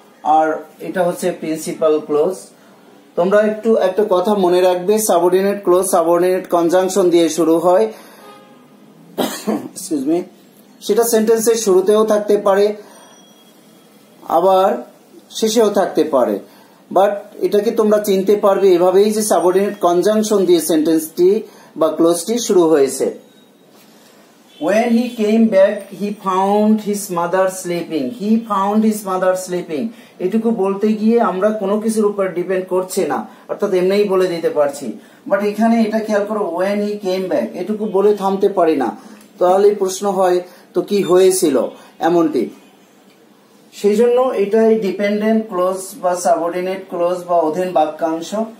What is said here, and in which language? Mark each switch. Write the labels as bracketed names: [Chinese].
[Bangla] আর এটা হচ্ছে principal clause তোমরা একটু একটা কথা মনে রাখবে সাবঅর্ডিনেট ক্লোজ সাবঅর্ডিনেট কনজাংশন দিয়ে শুরু হয় এক্সকিউজ মি সেটা সেন্টেন্সের শুরুতেও থাকতে পারে আবার শেষেও থাকতে পারে বাট এটাকে তোমরা চিনতে পারবে এভাবেই যে সাবঅর্ডিনেট কনজাংশন দিয়ে সেন্টেন্সটি বা ক্লোজটি শুরু হয়েছে। [English] When he came back, he found his mother sleeping. He found his mother sleeping. [Bangla] এটুকু বলতে গিয়ে আমরা কোনো কিছুর উপর ডিপেন্ড করছে না, অর্থাৎ এমনিই বলে দিতে পারছি। বাট এখানে এটা খেয়াল করো, [English] when he came back, [Bangla] এটুকু বলে থামতে পারি না। তাহলে প্রশ্ন হয় তো কি হয়েছিল এমনটি। সেই জন্য এটা ডিপেন্ডেন্ট ক্লোজ বা সাবঅর্ডিনেট ক্লোজ বা অধীন বাক্যাংশ।